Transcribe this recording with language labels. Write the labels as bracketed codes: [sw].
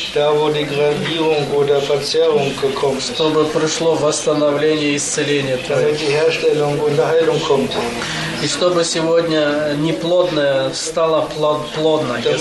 [de] Da, wo Degradierung oder Verzerrung gekommen ist. [ru] Чтобы пришло восстановление и исцеление Твое. [de] Damit die Herstellung und Heilung kommt. [ru] И чтобы сегодня неплодное стало плодной.